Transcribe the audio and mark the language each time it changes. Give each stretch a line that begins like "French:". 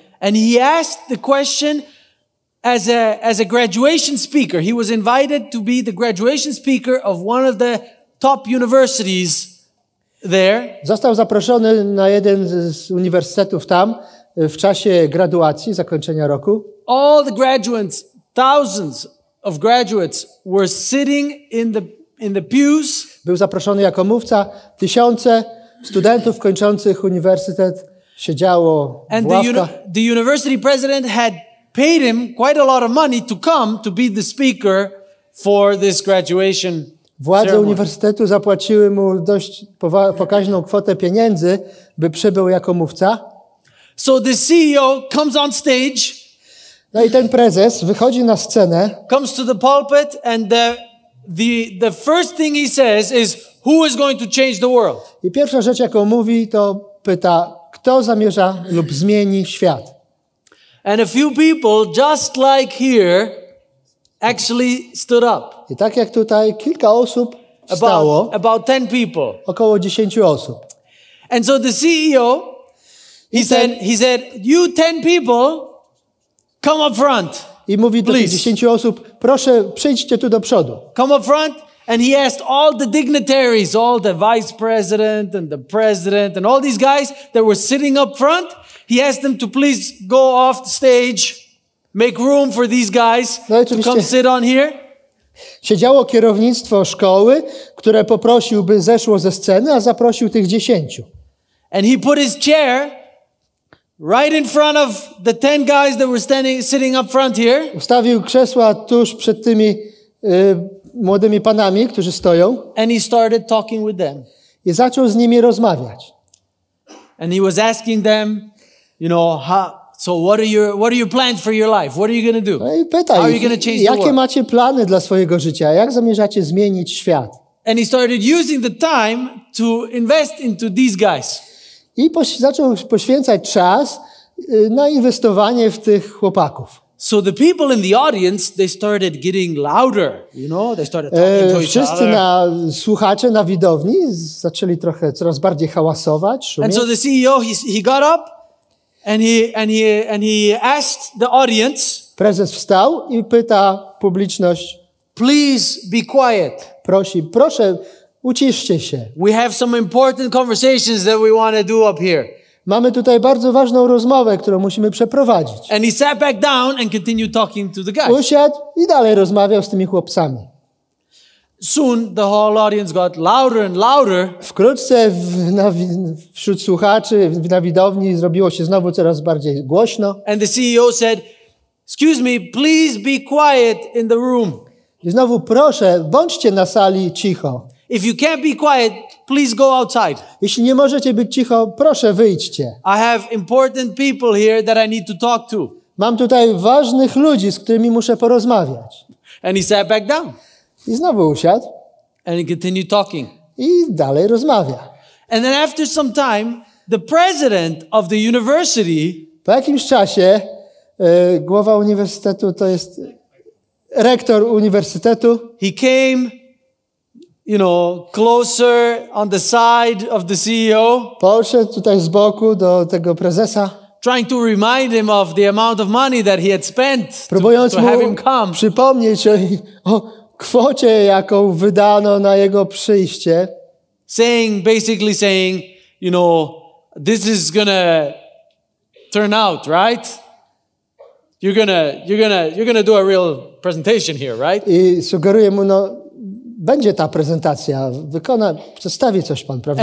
English: And he asked the question as a graduation speaker. He was invited to be the graduation speaker of one of the top universities there.
Polish: Został zaproszony na jeden z uniwersytetów tam w czasie graduacji, zakończenia roku.
English: All the graduates, thousands of graduates were sitting in the pews.
Polish: Był zaproszony jako mówca, tysiące studentów kończących uniwersytet siedziało w ławkach.
English: And the university president had paid him quite a lot of money to come to be the speaker for this graduation.
Polish: Władze uniwersytetu zapłaciły mu dość pokaźną kwotę pieniędzy, by przybył jako mówca.
English: So the CEO comes on stage.
Polish: No i ten prezes wychodzi na scenę.
English: Comes to the pulpit and the first thing he says is, who is going to change the world?
Polish: I pierwsza rzecz, jaką mówi, to pyta, kto zamierza lub zmieni świat.
English: And a few people, just like here, actually stood up.
Polish: I tak jak tutaj, kilka osób stało.
English: About 10 people.
Polish: Około 10 osób.
English: And so the CEO, he said, you 10 people, come up front.
Polish: I mówi do 10 osób, proszę, przyjdźcie tu do przodu.
English: Come up front. And he asked all the dignitaries, all the vice president and the president and all these guys that were sitting up front, he asked them to please go off the stage, make room for these guys to come sit on here.
Polish: Siedziało kierownictwo szkoły, które poprosił, by zeszło ze sceny, a zaprosił tych 10.
English: And he put his chair right in front of the 10 guys that were sitting up front here.
Polish: Ustawił krzesła tuż przed tymi młodymi panami, którzy stoją.
English: And he started talking with them.
Polish: I zaczął z nimi rozmawiać.
English: And he was asking them, you know, so what are your plans for your life? What are you going to do?
Polish: No i pyta ich, jakie macie plany dla swojego życia? Jak zamierzacie zmienić świat?
English: And he started using the time to invest into these guys.
Polish: I zaczął poświęcać czas na inwestowanie w tych chłopaków.
English: So the people in the audience, they started getting louder, you know, they started talking to each other.
Polish: Wszyscy słuchacze na widowni zaczęli trochę coraz bardziej hałasować, szumieć.
English: And so the CEO, he got up and he asked the audience.
Polish: Prezes wstał i pyta publiczność.
English: Please be quiet.
Polish: Proszę, uciszcie się.
English: We have some important conversations that we want to do up here.
Polish: Mamy tutaj bardzo ważną rozmowę, którą musimy przeprowadzić.
English: And he sat back down and continued talking to the guys.
Polish: Usiadł i dalej rozmawiał z tymi chłopcami.
English: Soon the whole audience got louder and louder.
Polish: Wkrótce wśród słuchaczy na widowni zrobiło się znowu coraz bardziej głośno.
English: And the CEO said, "Excuse me, please be quiet in the room."
Polish: I znowu proszę, bądźcie na sali cicho.
English: If you can't be quiet, please go outside.
Polish: Jeśli nie możecie być cicho, proszę wyjdźcie.
English: I have important people here that I need to talk to.
Polish: Mam tutaj ważnych ludzi, z którymi muszę porozmawiać.
English: And he sat back down.
Polish: I znowu usiadł.
English: And he continued talking.
Polish: I dalej rozmawia.
English: And then after some time, the president of the university.
Polish: Po jakimś czasie głowa uniwersytetu, to jest rektor uniwersytetu.
English: He came, you know, closer on the side of the CEO.
Polish: Poszedł tutaj z boku do tego prezesa.
English: Trying to remind him of the amount of money that he had spent.
Polish: Próbując
English: to have him come.
Polish: Przypomnieć o kwocie, jaką wydano na jego przyjście.
English: Saying, you know, this is gonna turn out, right? You're gonna do a real presentation here, right?
Polish: I sugeruje mu, no, będzie ta prezentacja, wykona, przedstawi coś pan, prawda?